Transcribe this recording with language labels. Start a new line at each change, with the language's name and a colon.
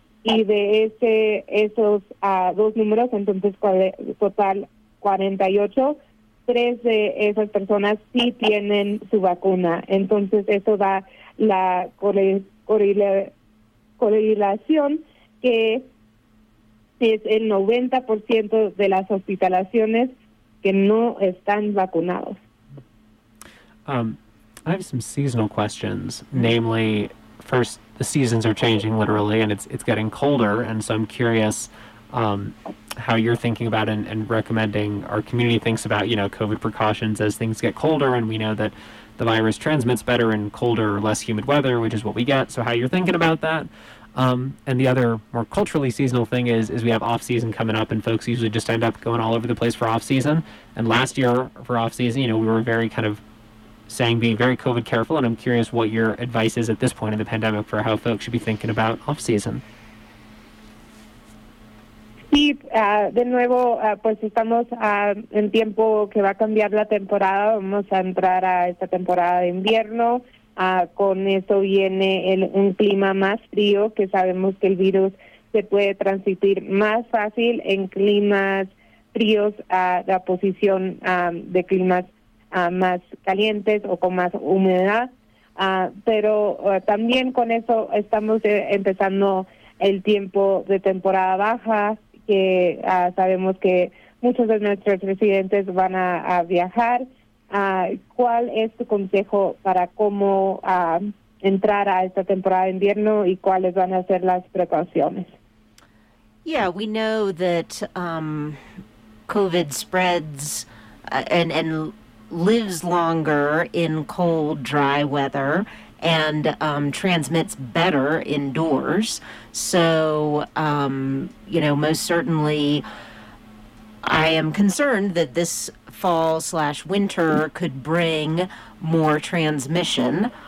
Spanish: Y de esos dos números, entonces total 48, tres de esas personas sí tienen su vacuna. Entonces eso da la correlación que es el 90% de las hospitalizaciones que no están vacunados.
English: I have some seasonal questions. Namely, first, the seasons are changing literally, and it's getting colder, and so I'm curious how you're thinking about and recommending our community thinks about, COVID precautions as things get colder, and we know that the virus transmits better in colder or less humid weather, which is what we get, so how you're thinking about that. And the other more culturally seasonal thing is we have off season coming up, and folks usually just end up going all over the place for off season. And last year for off season, we were very kind of saying be very COVID careful. And I'm curious what your advice is at this point in the pandemic for how folks should be thinking about off season.
Spanish: Sí, de nuevo, pues estamos en tiempo que va a cambiar la temporada. Vamos a entrar a esta temporada de invierno. Con eso viene un clima más frío, que sabemos que el virus se puede transmitir más fácil en climas fríos, la posición de climas más calientes o con más humedad. Pero también con eso estamos empezando el tiempo de temporada baja, que sabemos que muchos de nuestros residentes van a viajar. ¿Cuál es tu consejo para cómo entrar a esta temporada de invierno y cuáles van a ser las precauciones?
English: Yeah, we know that COVID spreads and lives longer in cold, dry weather and transmits better indoors. So, you know, most certainly I am concerned that this fall slash winter could bring more transmission.